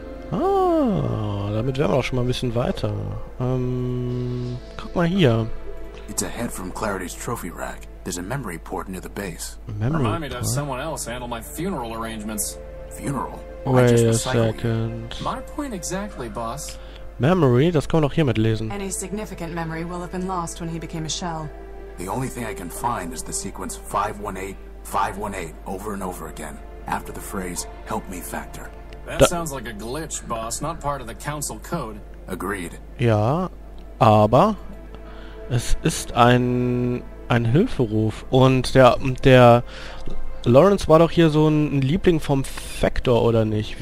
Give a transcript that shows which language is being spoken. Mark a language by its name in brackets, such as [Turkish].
[German] Ah, damit wären wir auch schon mal ein bisschen weiter. Guck mal hier. [English] It's a head from Clarity's trophy rack. There's a memory port near the base. Memory Remind me to have someone else handle my funeral arrangements. Funeral? Wait a second. My point exactly, boss. [German] Memory, das kann man auch hier mitlesen. [English] Any significant memory will have been lost when he became a shell. The only thing I can find is the sequence 518-518 over and over again, after the phrase, help me factor. That sounds like a glitch, boss, not part of the council code. Agreed. [German] Ja, aber es ist ein Hilferuf und der Lawrence war doch hier so ein Liebling vom Factor, oder nicht?